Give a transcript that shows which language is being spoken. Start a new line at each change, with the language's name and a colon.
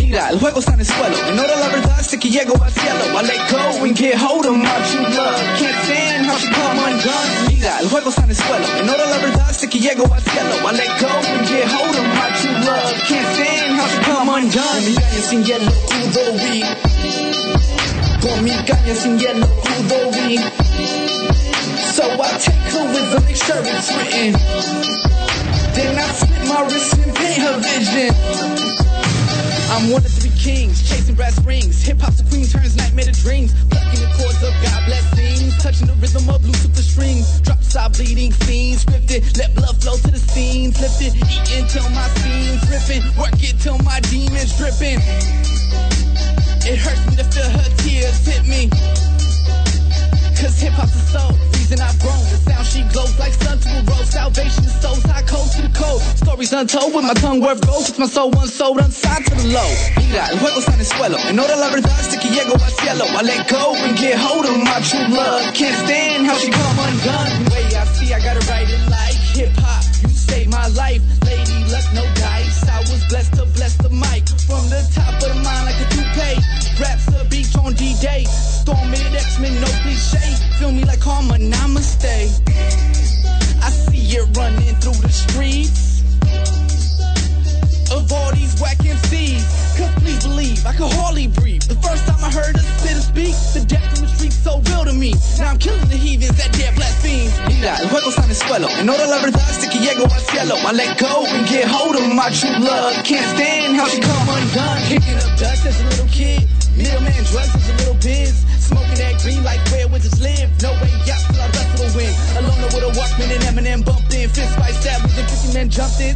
Spanish: El juego está en el suelo. No era la verdad, sé que llego al cielo.
English: I let go and get hold of my true love. Can't stand how she come undone.
Spanish: Mira, el juego está en el suelo. No era la verdad, sé que llego al cielo.
English: I let go and get hold of my true love. Can't stand how she come undone.
Spanish: Mi caña sin hielo pudo vivir. Con mi caña sin hielo pudo vivir.
English: So I take her with a mixture it's written. Then I slip my wrist and paint her vision. I'm one of three kings, chasing brass rings. Hip-hop supreme turns nightmare to dreams. Plucking the chords of God blessings. Touching the rhythm of Lucifer strings. Drop side bleeding scenes. Scripted, let blood flow to the scenes. Lifting, eating till my scenes. Ripping, work it till my demons dripping. It hurts me to feel her tears hit me. Cause hip-hop's a soul. And I've grown. The sound she glows like sun to a rose. Salvation is so high, cold to the cold. Stories untold with my tongue worth gold. With my soul unsold, unsigned to the low.
Spanish: Mira, el juego está en el suelo. En hora la verdad, sé que llego al cielo.
English: I let go and get hold of my true love. Can't stand how she come undone. The way I see, I gotta write it like hip-hop. You saved my life. Lady luck, no dice. I was blessed to bless the mic. From the top of the mind like a toupee. Raps the beach on D-Day. Storm it, X-Men, no cliche. Feel me like karma, namaste. I see it running through the streets of all these whack MCs. Cause please believe, I could hardly breathe. The first time I heard a spitter speak, the death in the streets so real to me. Now I'm killing the heathens that dare blaspheme.
Spanish: Mira, el juego está en el suelo. En hora la verdad, sé que llego al cielo.
English: I let go and get hold of my true love. Can't stand how she come undone. Kicking up dust as a little kid. Middleman drugs as a little biz. Smoking that green like where wizards live. No way, yeah, still I wrestle the wind. Alone with a Walkman and Eminem bumped in. Fist by stab with a 50 man jumped in.